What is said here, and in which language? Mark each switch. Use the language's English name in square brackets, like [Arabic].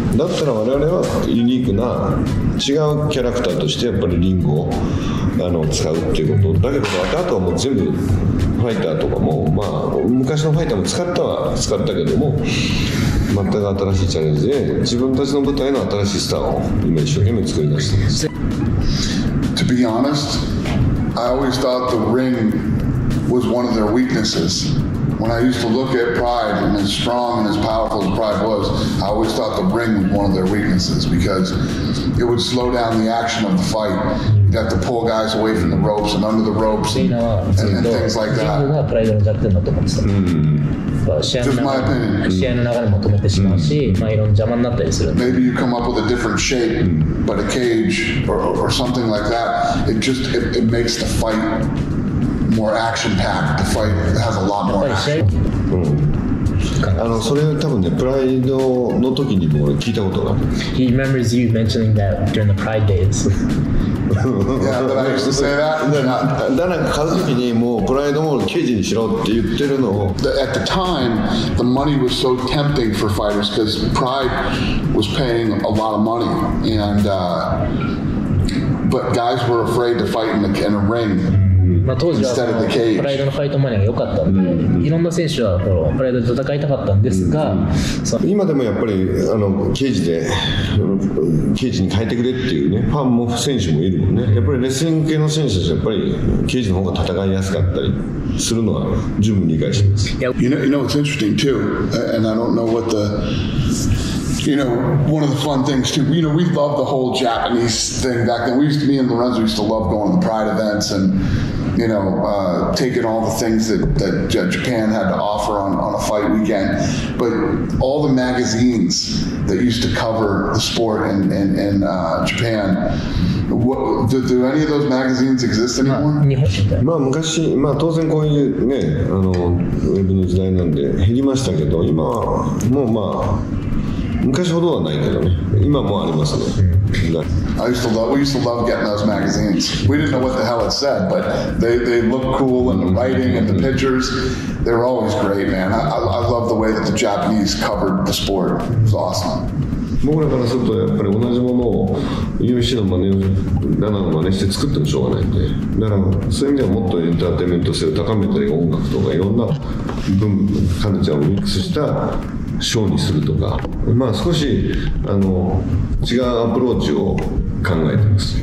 [Japanese] だったら我々はユニークな違うキャラクターとしてやっぱりリングを使うっていうことだけど、あとはもう全部ファイターとかも、まあ昔のファイターも使ったけども、全く新しいチャレンジで自分たちの舞台の新しいスターを今一生懸命作り出してます。 [English] To be honest, I always thought the ringwas one of their weaknesses. When I used to look at Pride, and as strong and as powerful as Pride was, I always thought the ring was one of their weaknesses, because it would slow down the action of the fight. You'd have to pull guys away from the ropes and under the ropes and things like that. [Japanese] Ringがプライドの弱点だと思ってた。試合の流れも止めてしまうし、まあ、いろんな邪魔になったりする。 [English] Maybe you come up with a different shape, but a cage or something like that, it makes the fight...more action-packed, the fight has a lot more action. [Japanese] それ多分ね、プライドの時にも聞いたことがある。 [English] He remembers you mentioning that during the Pride days. Yeah, I used to say that. [Japanese] ダナが買う時にもうプライドも刑事にしろって言ってるのを。 [English] At the time, the money was so tempting for fighters because Pride was paying a lot of money. And, but guys were afraid to fight in a ring. [Japanese] まあ、当時はプライドのファイトマネーが良かったので、うん、いろんな選手はプライドで戦いたかったんですが、うん、今でもやっぱりあのケージでケージに変えてくれっていうねファンも選手もいるもんね。やっぱりレスリング系の選手たちはやっぱりケージの方が戦いやすかったりするのは十分理解します。 [English] You know it's interesting too and I don't know what theYou know, one of the fun things too, you know, we loved the whole Japanese thing back then. We used to, me and Lorenzo used to love going to the Pride events and, you know, taking all the things that Japan had to offer on a fight weekend. But all the magazines that used to cover the sport in Japan, do any of those magazines exist anymore? [Japanese] まあ昔、まあ当然こういうね、あのウェブの時代なんで減りましたけど、今はもうまあ昔ほどはないけどね。今もありますね。 [English] I used to love, we used to love getting those magazines. We didn't know what the hell it said, but they looked cool and the writing and the pictures. They were always great, man. I love the way that the Japanese covered the sport. It was awesome. [Japanese] 僕らからするとやっぱり同じものを UFC の真似をダナの真似して作ってもしょうがないんで。だからそういう意味ではもっとエンターテインメント性を高めたり音楽とかいろんな文化カルチャーをミックスした。ショーにするとか、まあ、少しあの違うアプローチを考えています。